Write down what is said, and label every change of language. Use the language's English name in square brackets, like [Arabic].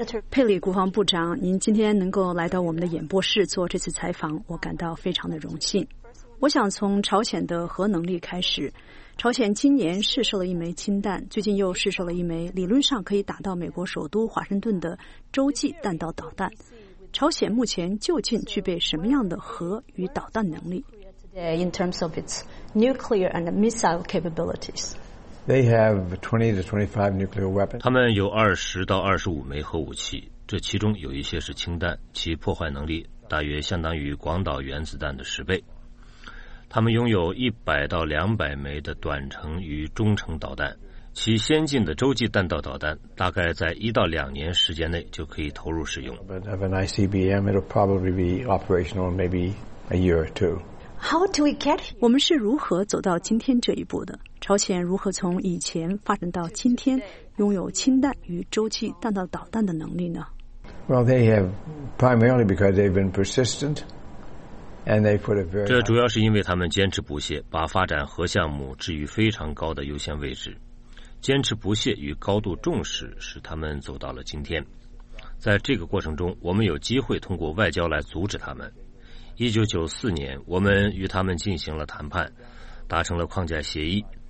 [Chinese] 佩里国防部长，您今天能够来到我们的演播室做这次采访，我感到非常的荣幸。我想从朝鲜的核能力开始。朝鲜今年试射了一枚氢弹，最近又试射了一枚理论上可以打到美国首都华盛顿的洲际弹道导弹。朝鲜目前究竟具备什么样的核与导弹能力？ [English] In terms of its nuclear and missile capabilities, they have 20 to 25 nuclear weapons. [Chinese] 他们有20到25枚核武器，这其中有一些是氢弹，其破坏能力大约相当于广岛原子弹的10倍。他们拥有100到200枚的短程与中程导弹，其先进的洲际弹道导弹大概在1到2年时间内就可以投入使用。 [English] But of an ICBM, it'll probably be operational maybe a year or two. How do we get? [Chinese] 我们是如何走到今天这一步的？朝鲜如何从以前发展到今天，拥有氢弹与洲际弹道导弹的能力呢 [English] ？Well, they have primarily because they've been persistent. [Chinese] 这主要是因为他们坚持不懈，把发展核项目置于非常高的优先位置。坚持不懈与高度重视使他们走到了今天。在这个过程中，我们有机会通过外交来阻止他们。 1994年，我们与他们进行了谈判，达成了框架协议。